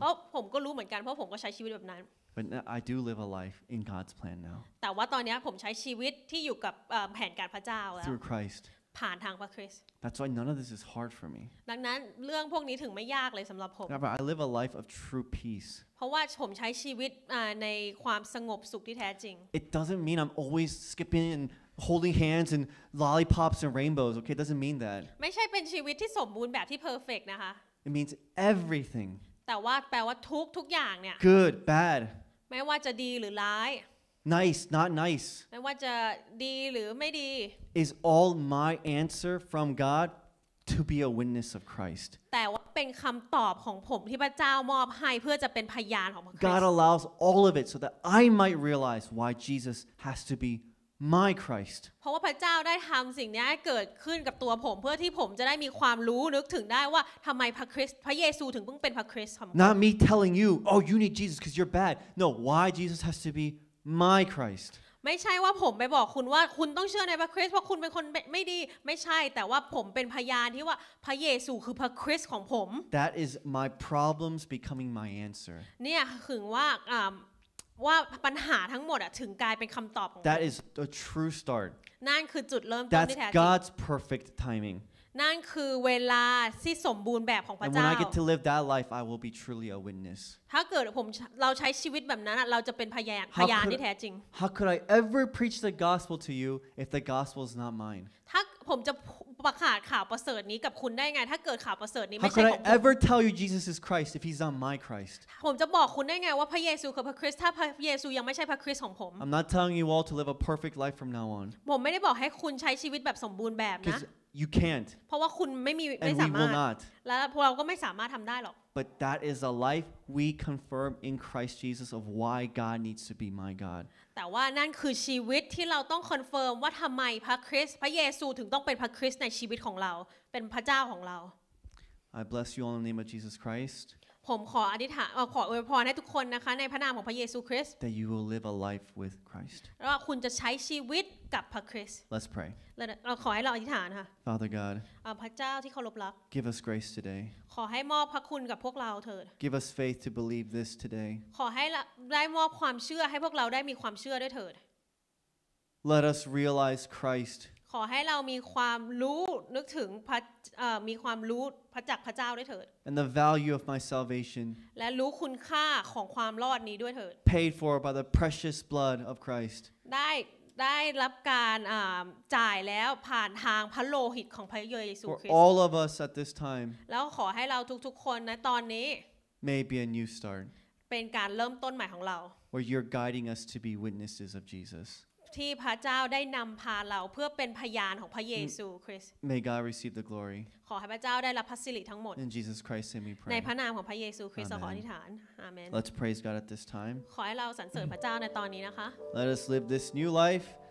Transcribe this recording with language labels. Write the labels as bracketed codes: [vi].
[th] เพราะผมก็รู้เหมือนกันเพราะผมก็ใช้ชีวิตแบบนั้น [en] But I do live a life in God's plan now. [th] แต่ว่าตอนนี้ผมใช้ชีวิตที่อยู่กับแผนการพระเจ้าแล้ว [en] Through Christ. [th] ผ่านทางพระคริสต์ [en] That's why none of this is hard for me. [th] ดังนั้นเรื่องพวกนี้ถึงไม่ยากเลยสำหรับผม [en] Yeah, but I live a life of true peace. [th] เพราะว่าผมใช้ชีวิตในความสงบสุขที่แท้จริง [en] It doesn't mean I'm always skipping and holding hands and lollipops and rainbows. Okay, it doesn't mean that. [th] ไม่ใช่เป็นชีวิตที่สมบูรณ์แบบที่ perfect นะคะ [en] It means everything. [th] แต่ว่าแปลว่าทุกอย่างเนี่ย [en] Good, bad. [th] ไม่ว่าจะดีหรือร้าย [en] Nice, not nice. [th] ไม่ว่าจะดีหรือไม่ดี [en] Is all my answer from God to be a witness of Christ. [th] แต่ว่าเป็นคำตอบของผมที่พระเจ้ามอบให้เพื่อจะเป็นพยานของพระคริสต์ [en] God allows all of it so that I might realize why Jesus has to be my Christ. [th] เพราะว่าพระเจ้าได้ทำสิ่งนี้ให้เกิดขึ้นกับตัวผมเพื่อที่ผมจะได้มีความรู้นึกถึงได้ว่าทำไมพระคริสต์พระเยซูถึงเพิ่งเป็นพระคริสต์ของผม [en] Not me telling you, oh, you need Jesus because you're bad. No, why Jesus has to be my Christ. [th] ไม่ใช่ว่าผมไปบอกคุณว่าคุณต้องเชื่อในพระคริสต์เพราะคุณเป็นคนไม่ดีไม่ใช่แต่ว่าผมเป็นพยานที่ว่าพระเยซูคือพระคริสต์ของผม [en] That is my problems becoming my answer [th] เนี่ยถึงว่าว่าปัญหาทั้งหมดอ่ะถึงกลายเป็นคำตอบของ [en] That is a true start [th] นั่นคือจุดเริ่มต้น ที่แท้จริง [en] That's God's perfect timing [th] นั่นคือเวลาที่สมบูรณ์แบบของพระเจ้า [en] And when I get to live that life I will be truly a witness [th] ถ้าเกิดผมเราใช้ชีวิตแบบนั้นเราจะเป็นพยานที่แท้จริง [en] How could I ever preach the gospel to you if the gospel is not mine [th] ถ้าผมจะประกาศข่าวประเสริฐนี้กับคุณได้ไงถ้าเกิดข่าวประเสริฐนี้ไม่ใช่ของผม [en] How could I ever tell you Jesus is Christ if he's not my Christ [th] ผมจะบอกคุณได้ไงว่าพระเยซูคือพระคริสต์ถ้าพระเยซูยังไม่ใช่พระคริสต์ของผม [en] I'm not telling you all to live a perfect life from now on [th] ผมไม่ได้บอกให้คุณใช้ชีวิตแบบสมบูรณ์แบบนะ [en] Because you can't [th] เพราะว่าคุณไม่สามารถและพวกเราก็ไม่สามารถทำได้หรอก [en] But that is a life we confirm in Christ Jesus of why God needs to be my God. [th] แต่ว่านั่นคือชีวิตที่เราต้องคอนเฟิร์มว่าทำไมพระคริสต์พระเยซูถึงต้องเป็นพระคริสต์ในชีวิตของเราเป็นพระเจ้าของเรา [en] I bless you all in the name of Jesus Christ. [th] ผมขออธิษฐานขออวยพรให้ทุกคนนะคะในพระนามของพระเยซูคริสต์ [en] That you will live a life with Christ. [th] แล้วคุณจะใช้ชีวิตกับพระคริสต์ [en] Let's pray. [th] เราขอให้เราอธิษฐานค่ะ [en] Father God. [th] พระเจ้าที่เคารพรัก [en] Give us grace today [th] ขอให้มอบพระคุณกับพวกเราเถิด [en] Give us faith to believe this today [th] ขอให้ได้มอบความเชื่อให้พวกเราได้มีความเชื่อด้วยเถิด [en] Let us realize Christ [th] ขอให้เรามีความรู้นึกถึงมีความรู้พระจักพระเจ้าด้วยเถิด [en] And the value of my salvation [th] และรู้คุณค่าของความรอดนี้ด้วยเถิด [en] Paid for by the precious blood of Christ [th] ได้รับการจ่ายแล้วผ่านทางพระโลหิตของพระเยซูคริสต์ [en] For all of us at this time [th] แล้วขอให้เราทุกๆคนในตอนนี้ [en] May be a new start [th] เป็นการเริ่มต้นใหม่ของเรา [en] Where you're guiding us to be witnesses of Jesus [th] ที่พระเจ้าได้นำพาเราเพื่อเป็นพยานของพระเยซูคริสต์ [en] May God receive the glory [th] ขอให้พระเจ้าได้รับพระสิริทั้งหมด [en] In Jesus Christ name we pray [th] ในพระนามของพระเยซูคริสต์ขออธิษฐาน Amen [en] Let's praise God at this time [th] ขอให้เราสรรเสริญพระเจ้าในตอนนี้นะคะ [en] Let us live this new life